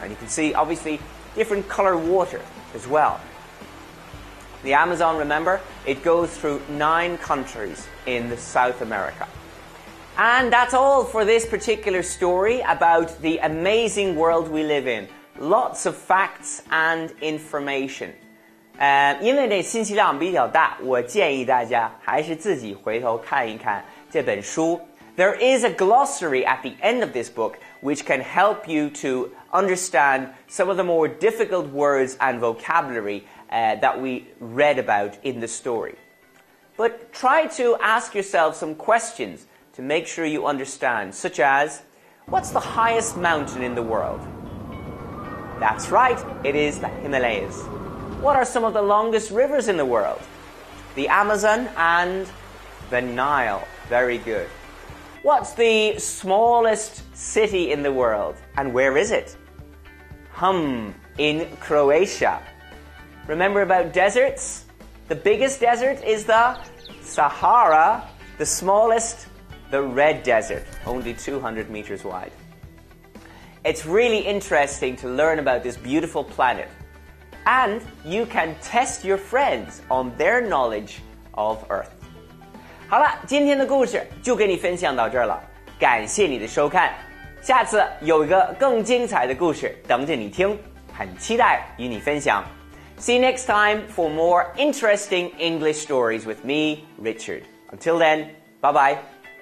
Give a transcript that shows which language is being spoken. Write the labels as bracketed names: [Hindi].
[English] And you can see, obviously, different color water as well. The Amazon, remember, it goes through 9 countries in South America. And that's all for this particular story about the amazing world we live in. Lots of facts and information. [Chinese] 因为这信息量比较大，我建议大家还是自己回头看一看这本书。 [English] There is a glossary at the end of this book which can help you to understand some of the more difficult words and vocabulary that we read about in the story. But try to ask yourself some questions. To make sure you understand, such as, what's the highest mountain in the world? That's right, it is the Himalayas. What are some of the longest rivers in the world? The Amazon and the Nile. Very good. What's the smallest city in the world? And where is it? In Croatia. Remember about deserts? The biggest desert is the Sahara. The smallest... The Red Desert, only 200 meters wide. It's really interesting to learn about this beautiful planet. And you can test your friends on their knowledge of Earth. [Chinese] 好了，今天的故事就跟你分享到这儿了。感谢你的收看。下次有一个更精彩的故事等着你听，很期待与你分享。 [English] See you next time for more interesting English stories with me, Richard. Until then, bye-bye.